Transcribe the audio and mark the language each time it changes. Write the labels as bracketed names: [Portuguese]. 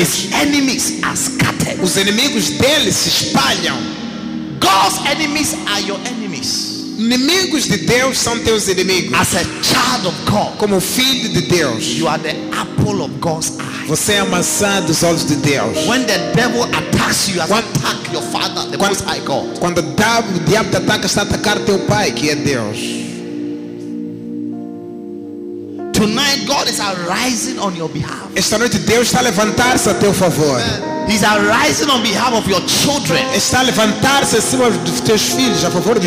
[English] his enemies are scattered. [Portuguese] Os inimigos dele se espalham. [English] God's enemies are your enemies. [Portuguese] Inimigos de Deus são teus inimigos. [English] As a child of God, [Portuguese] como filho de Deus, [English] you are the apple of God's eye. [Portuguese] Você é a maçã dos olhos de Deus. [English] When the devil attacks you, you attack your father, the Most High God. [Portuguese] Quando o diabo te ataca, está a atacar teu pai, que é Deus. [English] Tonight God is arising on your behalf. [Portuguese] Esta noite Deus está a levantar-se a teu favor. [English] Amen. He's arising on behalf of your children. [Portuguese] Está a levantar-se acima dos teus filhos, a favor de